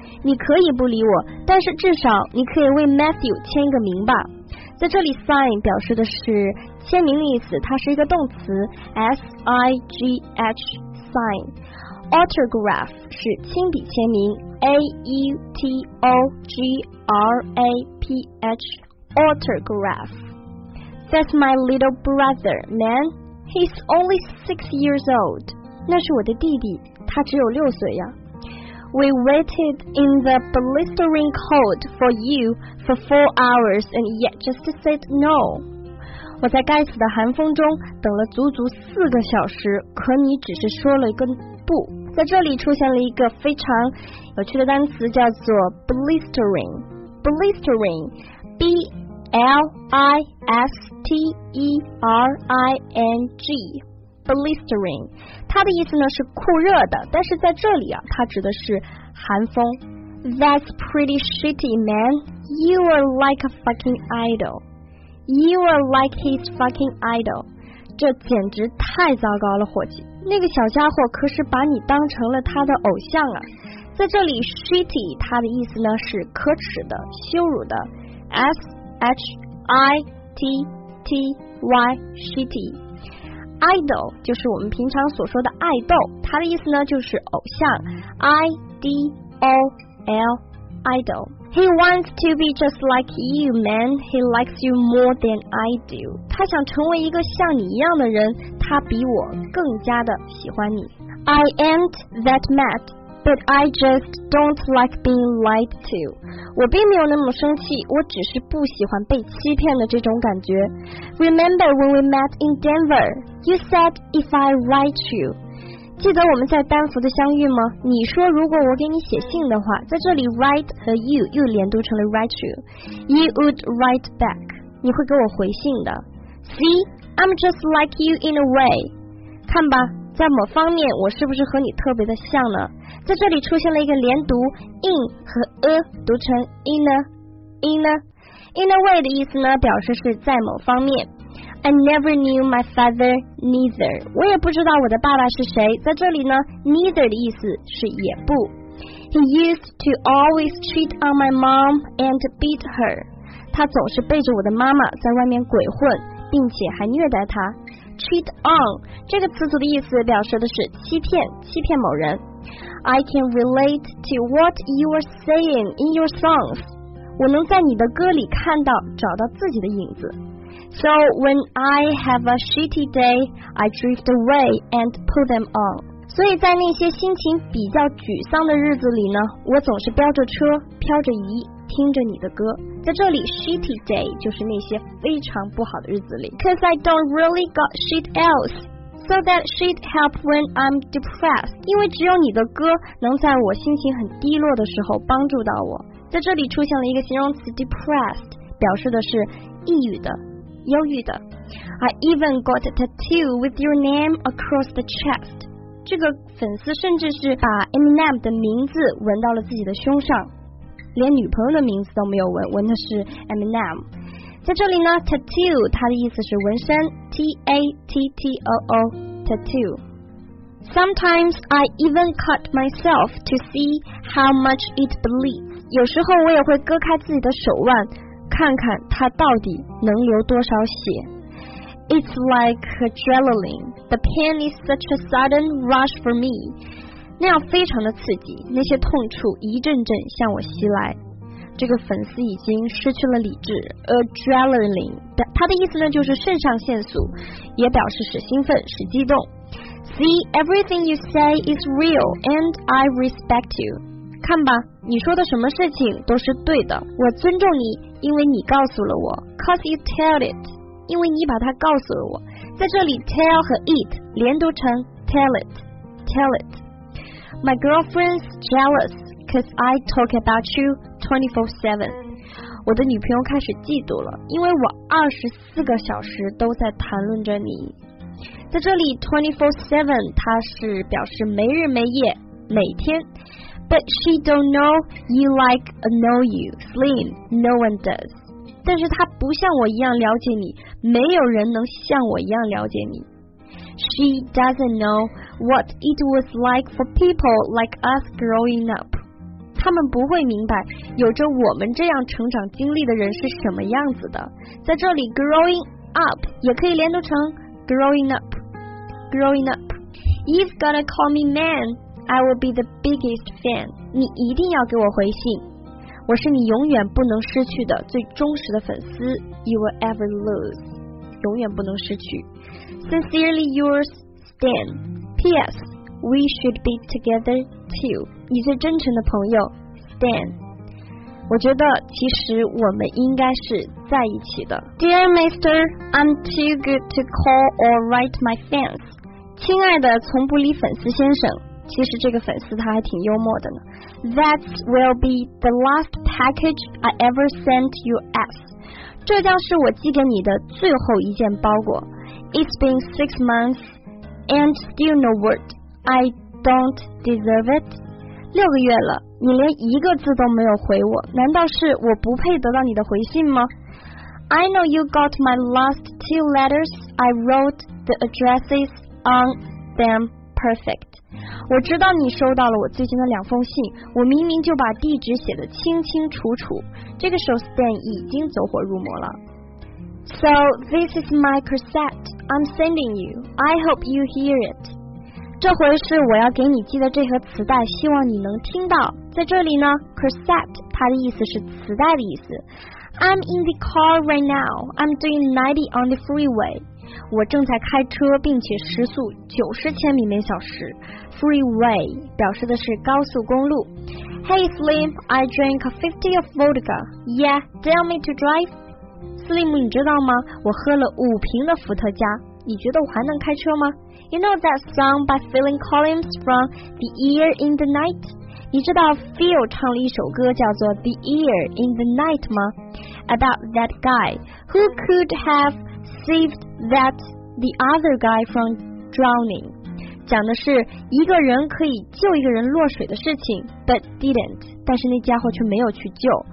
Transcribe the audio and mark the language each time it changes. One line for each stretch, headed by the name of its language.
Chinese: 你可以不理我，但是至少你可以为 Matthew 签个名吧。在这里 sign 表示的是签名的意思，它是一个动词 S-I-G-H sign。 Autograph 是亲笔签名 A-U-T-O-G-R-A-P-H Autograph。
English: That's my little brother, man. He's only 6 years old.
Chinese: 那是我的弟弟，他只有六岁呀。
English: We waited in the blistering cold for you for 4 hours and yet just said no.
Chinese: 我在该死的寒风中等了足足4个小时，可你只是说了一个不。在这里出现了一个非常有趣的单词，叫做 blistering。
English: blistering, B-L-I-S-T-E-R-I-N-G。
Chinese: Blistering， 它的意思呢是酷热的，但是在这里啊，它指的是寒风。
English: That's pretty shitty, man. You are like a fucking idol. You are like his fucking idol.
Chinese: 这简直太糟糕了，伙计。那个小家伙可是把你当成了他的偶像啊。在这里 ，shitty 它的意思呢是可耻的、羞辱的。
English: S H I T T Y shitty。
Chinese: Idol 就是我们平常所说的爱豆，它的意思呢就是偶像。
English: I-D-O-L Idol. He wants to be just like you, man. He likes you more than I do.
Chinese: 他想成为一个像你一样的人，他比我更加的喜欢你。
English: I ain't that mad, But I just don't like being lied to.
Chinese: 我并没有那么生气，我只是不喜欢被欺骗的这种感觉。
English: Remember when we met in Denver? You said if I write you.
Chinese: 记得我们在丹佛的相遇吗？你说如果我给你写信的话，在这里 write 和 you 又连读成了
English: write you. You would write back.
Chinese: 你会给我回信的。
English: See, I'm just like you in a way.
Chinese: 看吧，在某方面我是不是和你特别的像呢？在这里出现了一个连读 in 和 a， 读成
English: in a way
Chinese: 的意思呢，表示是在某方面。
English: I never knew my father neither，
Chinese: 我也不知道我的爸爸是谁。在这里呢， neither 的意思是也不。
English: He used to always cheat on my mom and beat her，
Chinese: 他总是背着我的妈妈在外面鬼混，并且还虐待他。 Cheat on 这个词组的意思表示的是欺骗，欺骗某人。
English: I can relate to what you are saying in your songs，
Chinese: 我能在你的歌里看到找到自己的影子。
English: So when I have a shitty day I drift away and put them on，
Chinese: 所以在那些心情比较沮丧的日子里呢，我总是飙着车飘着移听着你的歌。在这里 shitty day 就是那些非常不好的日子里。
English: Cause I don't really got shit else， so that shit help when I'm depressed，
Chinese: 因为只有你的歌能在我心情很低落的时候帮助到我。在这里出现了一个形容词 depressed， 表示的是抑郁的，忧郁的。
English: I even got a tattoo with your name across the chest，
Chinese: 这个粉丝甚至是把 Eminem 的名字纹到了自己的胸上，连女朋友的名字都没有纹，纹的是 Eminem。在这里呢， tattoo 它的意思是纹身， T-A-T-T-O-O tattoo。
English: Sometimes I even cut myself to see how much it bleeds，
Chinese: 有时候我也会割开自己的手腕看看它到底能流多少血。
English: It's like adrenaline， the pain is such a sudden rush for me，
Chinese: 那样非常的刺激，那些痛楚一阵阵向我袭来。这个粉丝已经失去了理智。Adrenaline 它的意思呢就是肾上腺素，也表示使兴奋使激动。
English: See everything you say is real and I respect you，
Chinese: 看吧，你说的什么事情都是对的，我尊重你，因为你告诉了我。
English: Cause you tell it，
Chinese: 因为你把它告诉了我。在这里
English: tell 和 it
Chinese: 连读成
English: tell it， tell itMy girlfriend's jealous because I talk about you 24/7.
Chinese: 我的女朋友开始嫉妒了，因为我24个小时都在谈论着你。在这里 24/7 它是表示没日没夜，每天。
English: But she don't know you like know you, Slim, no one does.
Chinese: 但是她不像我一样了解你，没有人能像我一样了解你。
English: She doesn't know what it was like for people like us growing up.
Chinese: 他们不会明白有着我们这样成长经历的人是什么样子的。在这里 growing up 也可以连读成 growing up, growing up.
English: You've gotta call me man, I will be the biggest fan.
Chinese: 你一定要给我回信，我是你永远不能失去的最忠实的粉丝。
English: You will ever lose，
Chinese: 永远不能失去。
English: Sincerely yours, Stan. P.S. We should be together too.
Chinese: 你最真诚的朋友 Stan. 我觉得其实我们应该是在一起的。
English: Dear Mister, I'm too good to call or write my fans.
Chinese: 亲爱的从不理粉丝先生，其实这个粉丝他还挺幽默的呢。
English: That will be the last package I ever sent you as.
Chinese: 这将是我寄给你的最后一件包裹。
English: It's been 6 months and still no word. I don't deserve it.
Chinese: 六个月了，你连一个字都没有回我，难道是我不配得到你的回信吗？
English: I know you got my last 2 letters. I wrote the addresses on them perfect.
Chinese: 我知道你收到了我最近的两封信，我明明就把地址写得清清楚楚。这个时候 Stan 已经走火入魔了。
English: So this is my cassette I'm sending you. I hope you hear it.
Chinese: 这回是我要给你寄的这盒磁带，希望你能听到。在这里呢
English: cassette
Chinese: 它的意思是磁带的意思。
English: I'm in the car right now. I'm doing 90 on the freeway.
Chinese: 我正在开车，并且时速90千米每小时。 Freeway 表示的是高速公路。
English: Hey Slim, I drank 50 of vodka. Yeah, tell me to drive. Slim,
Chinese: 你知道吗？我喝了5瓶的伏特加，你觉得我还能开车吗？
English: You know that song by Phil Collins from The Ear in the Night?
Chinese: 你知道 Phil 唱了一首歌叫做 The Ear in the Night 吗？
English: About that guy who could have saved that the other guy from drowning.
Chinese: 讲的是一个人可以救一个人落水的事情，
English: but didn't.
Chinese: 但是那家伙却没有去救。